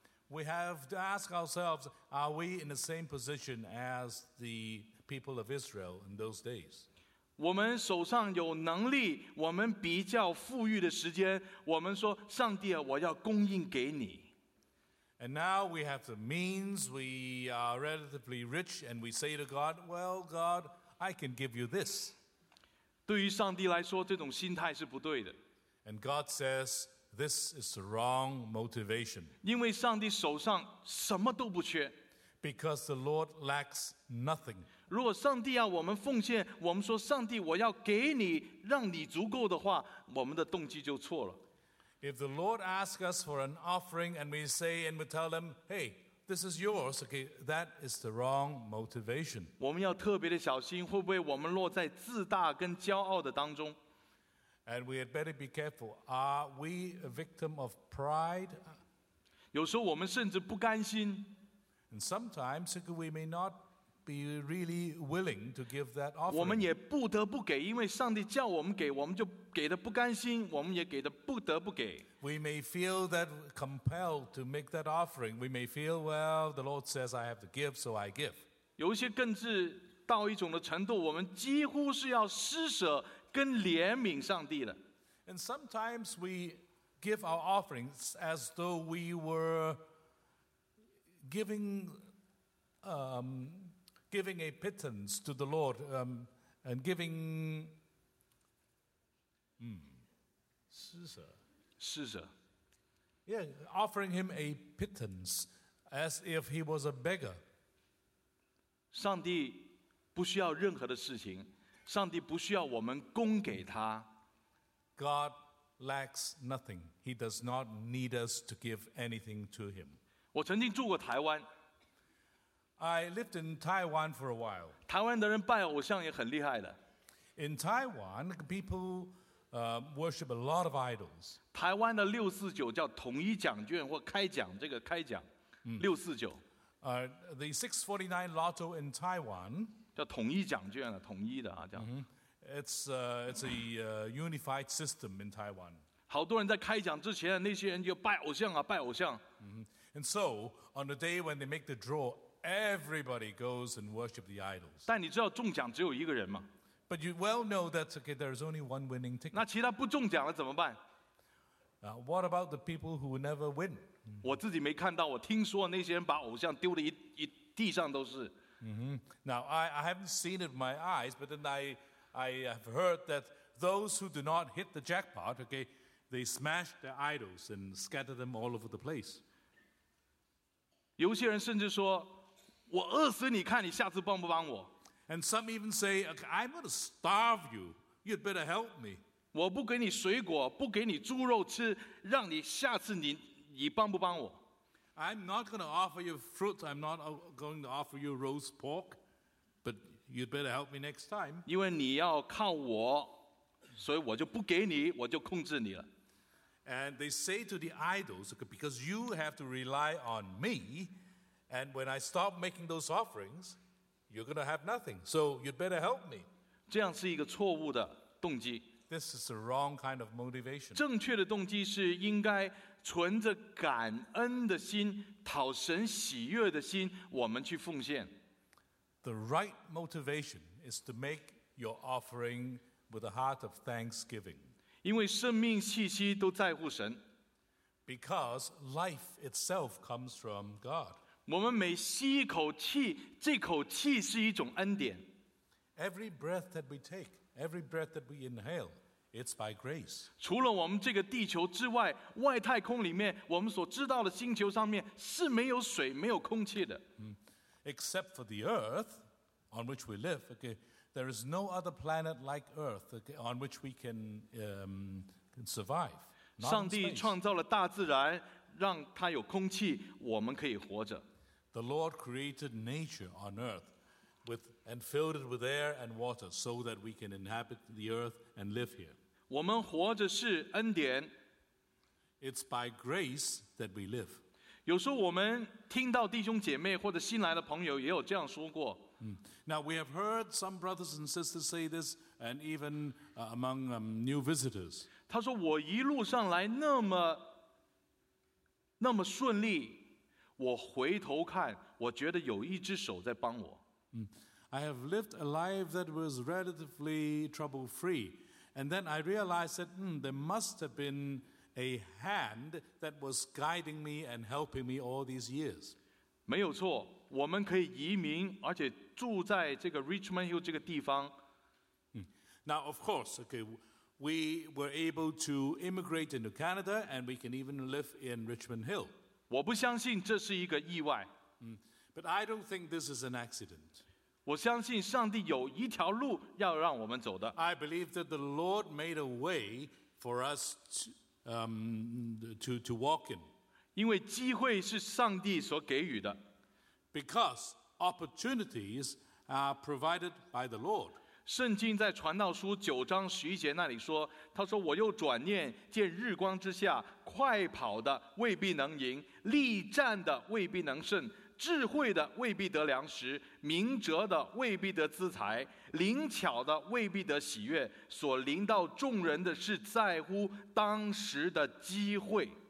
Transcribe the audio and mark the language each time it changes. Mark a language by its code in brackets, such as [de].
[en] We have to ask ourselves, are we in the same position as the people of Israel in those days? [zh] 我们手上有能力，我们比较富裕的时间，我们说，上帝啊，我要供应给你。 [en] And now we have the means, we are relatively rich, and we say to God, well, God, I can give you this. [zh] 对于上帝来说，这种心态是不对的。 [en] And God says, this is the wrong motivation. [zh] 因为上帝手上什么都不缺。 [en] Because the Lord lacks nothing. [zh] 如果上帝要我们奉献，我们说上帝，我要给你，让你足够的话，我们的动机就错了。 [en] If the Lord asks us for an offering and we say and we tell them, hey, this is yours, okay, that is the wrong motivation. [zh] 我们要特别的小心，会不会我们落在自大跟骄傲的当中？ [en] And we had better be careful. Are we a victim of pride? [zh] 有时候我们甚至不甘心。 [en] And sometimes we may not be really willing to give that offering. [zh] 我们也不得不给，因为上帝叫我们给，我们就给的不甘心，我们也给的不得不给。 [en] We may feel that compelled to make that offering. We may feel, well, the Lord says I have to give, so I give. [zh] 有一些更是到一种的程度，我们几乎是要施舍跟怜悯上帝了。 [en] And sometimes we give our offerings as though we were giving a pittance to the Lord, and giving. [zh] 施舍，施舍。 [en] Yeah, offering him a pittance as if he was a beggar. [zh] 上帝不需要任何的事情，上帝不需要我们供给他。 [en] God lacks nothing. He does not need us to give anything to him. [zh] 我曾经住过台湾。 [en] I lived in Taiwan for a while. [zh] 台湾的人拜偶像也很厉害的。 [en] In Taiwan, people worship a lot of idols. [zh] 台湾的六四九叫统一奖券或开奖，这个开奖，六四九。 [en] The 649 Lotto in Taiwan [zh] 叫统一奖券了，统一的啊，叫。 [en] It's a unified system in Taiwan. [zh] 好多人在开奖之前，那些人就拜偶像啊，拜偶像。 [en] And so on the day when they make the draw, everybody goes and worship the idols. [zh] 但你知道中奖只有一个人吗？ [en] But you well know that okay, there is only one winning ticket. [zh] 那其他不中奖了怎么办？ [en] What about the people who never win? [zh] 我自己没看到，我听说那些人把偶像丢的一地上都是。 [en] Now I haven't seen it with my eyes, but then I have heard that those who do not hit the jackpot, okay, they smash their idols and scatter them all over the place. [zh] 有些人甚至说，我饿死你看你下次帮不帮我。 [en] And some even say, okay, I'm going to starve you. You'd better help me. [zh] 我不给你水果，不给你猪肉吃，让你下次你帮不帮我？ [en] I'm not going to offer you fruit. I'm not going to offer you roast pork. But you'd better help me next time. [zh] 因为你要靠我，所以我就不给你，我就控制你了。 [en] And they say to the idols, okay, because you have to rely on me, and when I stop making those offerings,You're going to have nothing, so you'd better help me. [zh] 这样是一个错误的动机。 [en] This is the wrong kind of motivation. [zh] 正确的动机是应该存着感恩的心，讨神喜悦的心，我们去奉献。 [en] The right motivation is to make your offering with a heart of thanksgiving. [zh] 因为生命气息都在乎神。 [en] Because life itself comes from God. [zh] 我们每吸一口气，这口气是一种恩典。 [en] Every breath that we take, every breath that we inhale, it's by grace. [zh] 除了我们这个地球之外，外太空里面，我们所知道的星球上面是没有水、没有空气的。 [en] Except for the Earth, on which we live, okay, there is no other planet like Earth, okay, on which we can survive. [zh] 上帝创造了大自然。让它有空气，我们可以活着。 [en] The Lord created nature on earth, with and filled it with air and water, so that we can inhabit the earth and live here. [zh] 我们活着是恩典。 [en] It's by grace that we live. [zh] 有时候我们听到弟兄姐妹或者新来的朋友也有这样说过。 [en] Now we have heard some brothers and sisters say this, and even among new visitors. [zh] 他说我一路上来那么。那么顺利，我回头看，我觉得有一只手在帮我。 [en] I have lived a life that was relatively trouble-free, and then I realized that there must have been a hand that was guiding me and helping me all these years. [zh] 没有错，我们可以移民，而且住在这个 Richmond Hill 这个地方。 [en] Now, of course, okay, we were able to immigrate into Canada, and we can even live in Richmond Hill. [zh] 我不相信这是一个意外。 [en] But I don't think this is an accident. [zh] 我相信上帝有一条路要让我们走的。 [en] I believe that the Lord made a way for us to walk in. [zh] 因为机会是上帝所给予的。 [en] Because opportunities are provided by the Lord. [zh] 圣经在传道书九章十一节那里说，他说我又转念见日光之下，快跑的未必能赢，力战的未必能胜，智慧的未必得粮食，明哲的未必得资财，灵巧的未必得喜悦，所临到众人的是在乎当时的机会。